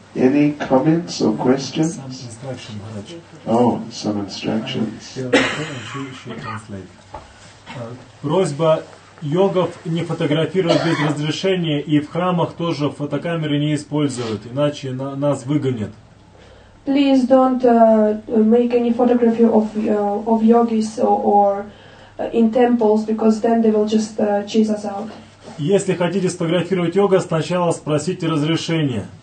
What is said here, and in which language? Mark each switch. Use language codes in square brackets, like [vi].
[en] Any comments or questions? Some instructions. [ru] Просьба йогов не фотографировать без разрешения, и в храмах тоже фотокамеры не используют, иначе нас выгонят. [en] Please don't make any photography of yogis or in temples, because then they will just chase us out. [ru] Если хотите сфотографировать йога, сначала спросите разрешение.